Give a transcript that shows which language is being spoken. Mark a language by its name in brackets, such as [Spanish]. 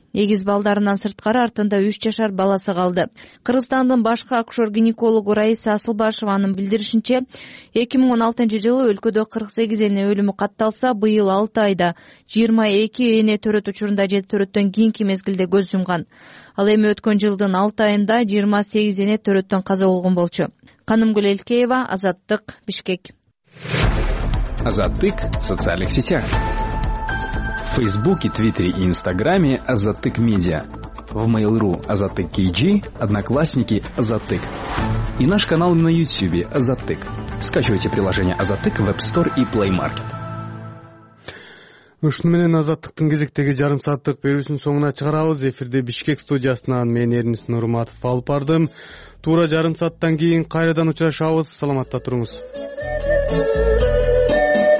[Kyrgyz] Эгиз балдарынан сырткары артында 3 жашар баласы калды. Кыргызстандын башкы акушер гинекологу Раиса Асылбашеванын билдиришинче, 2016 жылы өлкөдө 48 эне өлүмү катталса, быйыл 6 айда 22 эне төрөт учурунда 7 төрөттөн кийинки мезгилде көз жумган. Ал эми өткөн жылдын 6 айында 28 эне төрөттөн каза болгон болчу. Канымгүл Элкеева, Азаттык, Бишкек. [Russian] Азаттык в социальных сетях. В Фейсбуке, Твиттере и Инстаграме Азаттык Медиа. В Mail.ru Азаттык KG, Одноклассники Азаттык. И наш канал на Ютьюбе Азаттык. Скачивайте приложение Азаттык в App Store и Play Market. [Kyrgyz] Ушуну менен Азаттыктын кезектеги жарым сааттык берүүсүн соңуна чыгарабыз. Эфирде Бишкек студиясынан мен Эрнис Нурматов алып бардым. Туура жарым сааттан кийин кайрадан учурашабыз. Саламатта туруңуз.